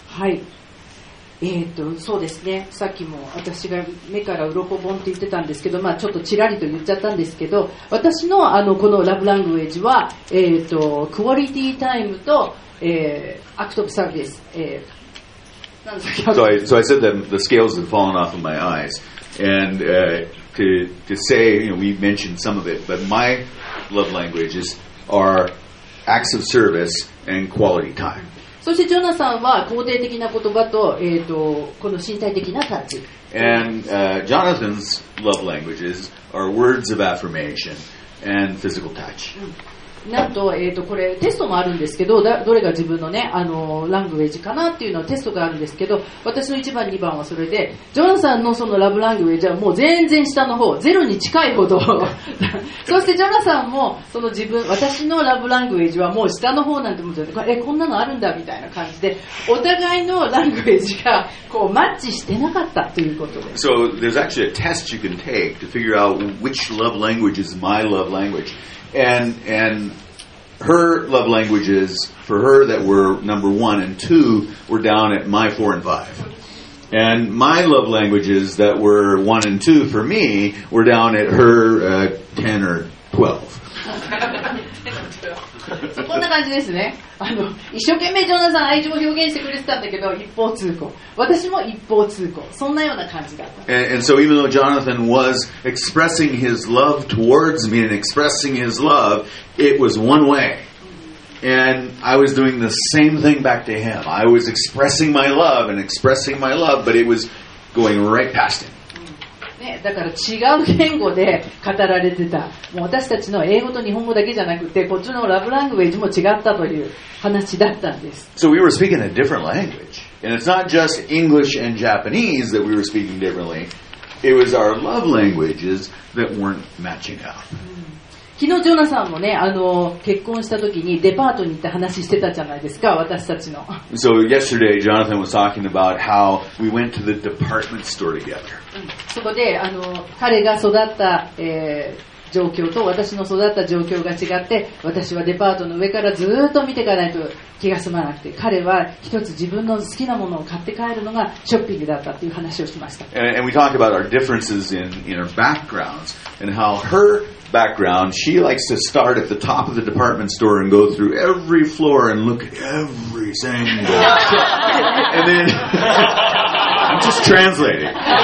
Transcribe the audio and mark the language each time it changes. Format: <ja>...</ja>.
<ja>はい。そうですね、さっきも私が目からウロコボンって言ってたんですけど、まあ、ちょっとチラリと言っちゃったんですけど、私 の, あのこのラブラングエージは、クオリティタイムと、アクトプサービス、</ja> <en>So I said that the scales have fallen off of my eyes and、to say, you know, we mentioned some of it, but my love languages are acts of service and quality time.</en> <ja>そしてジョナサンは肯定的な言葉 と,、この身体的なタッチ。</ja> <en>And、Jonathan's love languages are words of affirmation and physical touch.</en> <ja>なんと、これテストもあるんですけど、どれが自分のね、ラングウェージかなっていうのはテストがあるんですけど、私の1番、2番はそれで、ジョナサンのそのラブラングウェージはもう全然下の方、ゼロに近いほど。そしてジョナサンもその自分、私のラブラングウェージはもう下の方なんて思って、こんなのあるんだみたいな感じで、お互いのラングウェージがこうマッチしてなかったということです。</ja> <en>So there's actually a test you can take to figure out which love language is my love language. And her love languages for her that were number one and two were down at my four and five. And my love languages that were one and two for me were down at her ten or twelve.</en> <ja>こんな感じですね。一生懸命ジョナサン愛情を表現してくれてたんだけど、一方通行。私も一方通行。そんなような感じだった。</ja> <en>And so even though Jonathan was expressing his love towards me and expressing his love, it was one way. And I was doing the same thing back to him. I was expressing my love and expressing my love, but it was going right past him.</en> <ja>だから違う言語で語られてた。もう私たちの英語と日本語だけじゃなくて、こっちのラブラングウェイジも違ったという話だったんです。</ja> <en>So we were speaking a different language. And it's not just English and Japanese that we were speaking differently. It was our love languages that weren't matching up.</en> <ja>昨日ジョナサンもね、結婚した時にデパートに行った話してたじゃないですか、私たちの。</ja> <en>So yesterday, Jonathan was talking about how we went to the department store together.</en> <ja>そこで、彼が育った、状況と私の育った状況が違って、私はデパートの上からずっと見ていかないと気が済まなくて、彼は一つ自分の好きなものを買って帰るのがショッピングだったという話をしました。</ja> <en>And we talked about our differences in our backgrounds and how her background, she likes to start at the top of the department store and go through every floor and look at every single shelf. And then, I'm just translating.</en>